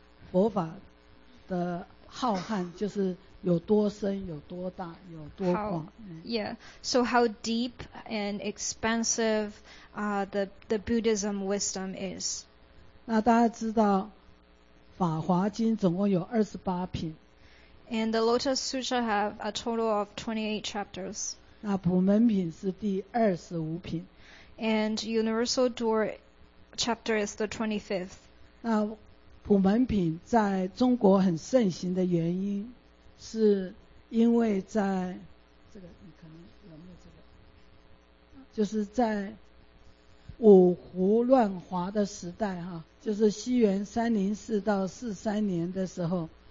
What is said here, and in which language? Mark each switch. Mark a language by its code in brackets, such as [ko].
[zh] 佛法的浩瀚就是有多深、有多大、有多广。 [en] Yeah, so how deep and expansive the Buddhism wisdom is. [zh] 那大家知道，《法华经》总共有二十八品。 [en] And the Lotus Sutra have a total of 28 chapters. [zh] 那普门品是第二十五品。 [en] And Universal Door chapter is the 25th. [zh] 那普门品在中国很盛行的原因，是因为在这个你可能有没有这个，就是在五胡乱华的时代哈，就是西元304到43年的时候。